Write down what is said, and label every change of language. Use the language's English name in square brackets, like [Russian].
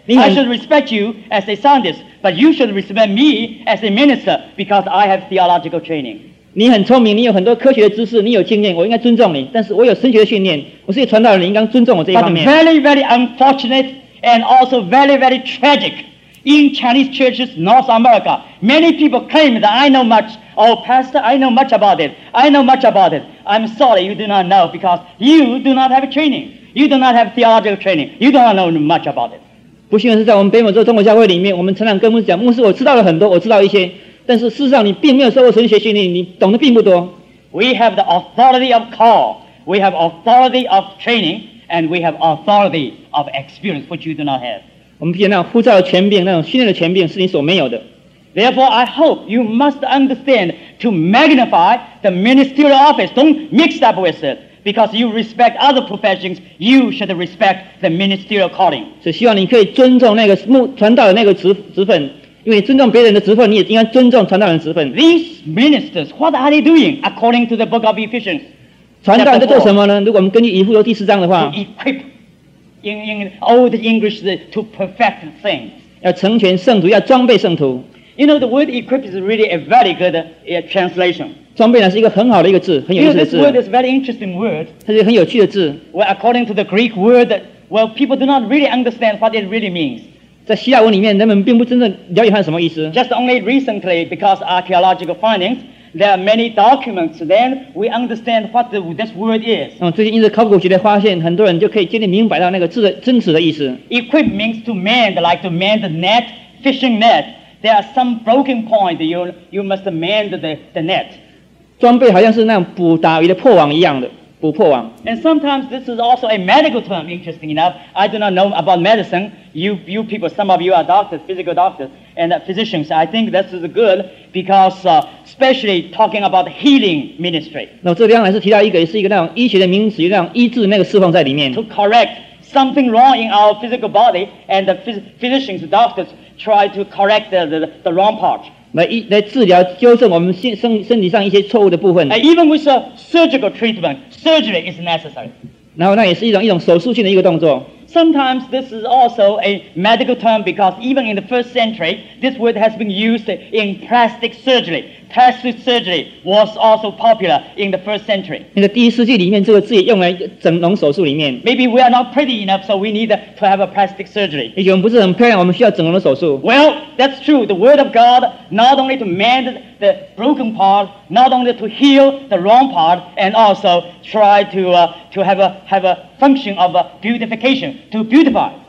[English] I should respect you as a scientist, but you should respect me as a minister because I have theological training. [Chinese] 你很聪明，你有很多科学的知识，你有经验，我应该尊重你。但是我有神学的训练，我是一个传道人，你应该尊重我这一方面。 [English] But very, very unfortunate and also very, very tragic in Chinese churches North America. Many people claim that I know much. Oh, Pastor, I know much about it. I know much about it. I'm sorry you do not know because you do not have training. You do not have theological training. You do not know much about it. [Chinese] 不幸的是在我们北美洲中国教会里面，我们成长跟牧师讲，牧师我知道了很多，我知道一些，但是事实上你并没有受过神学训练，你懂得并不多。 [English] We have the authority of call. We have authority of training. And we have authority of experience, which you do not have. [Chinese] 我们必须那种呼召的权柄，那种训练的权柄是你所没有的。 [English] Therefore, I hope you must understand to magnify the ministerial office. Don't mix up with it. Because you respect other professions, you should respect the ministerial calling. [Chinese] 所以希望你可以尊重那个传道的那个职分，因为尊重别人的职分，你也应该尊重传道人的职分。 [English] These ministers, what are they doing according to the book of Ephesians? [Chinese] 传道人在做什么呢？如果我们根据以弗所第四章的话 [English] ，to equip in old English to perfect things. [Chinese] 要成全圣徒，要装备圣徒。 [English] You know, the word equip is really a very good translation. [Chinese] 装备呢是一个很好的一个字，很有意思的字。 [English] You know, this word is a very interesting word. [Chinese] 它是一个很有趣的字。 [English] Well, according to the Greek word, well, people do not really understand what it really means. [Chinese] 在希腊文里面，人们并不真正了解它什么意思。 [English] Just only recently, because archaeological findings, there are many documents, then we understand what this word is. [Chinese] 最近因为考古学的发现，很多人就可以渐渐明白到那个字的真实的意思。 [English] Equip means to mend, like to mend the net, fishing net. There are some broken points. You must mend the net. [Chinese] 装备好像是那种补打鱼的破网一样的，补破网。 [English] And sometimes this is also a medical term. Interesting enough, I do not know about medicine. You people, some of you are doctors, physical doctors and physicians. I think this is good because especially talking about healing ministry. [Chinese] 那这边还是提到一个，也是一个那种医学的名词，那种医治那个释放在里面。 [English] To correct something wrong in our physical body, and the physicians, doctors. Try to correct the wrong part. [Chinese] 来治疗纠正我们身体上一些错误的部分。 [English] And even with a surgical treatment, surgery is necessary. [Chinese] 然后那也是一种手术性的一个动作。 [English] Sometimes this is also a medical term because even in the first century, this word has been used in plastic surgery. Plastic surgery was also popular in the first century. [Chinese] 那个第一世纪里面，这个字也用来整容手术里面。 [English] Maybe we are not pretty enough, so we need to have a plastic surgery. [Chinese] 也许我们不是很漂亮，我们需要整容的手术。 [English] Well, that's true. The word of God not only to mend the broken part, not only to heal the wrong part, and also try to have a function of beautification to beautify.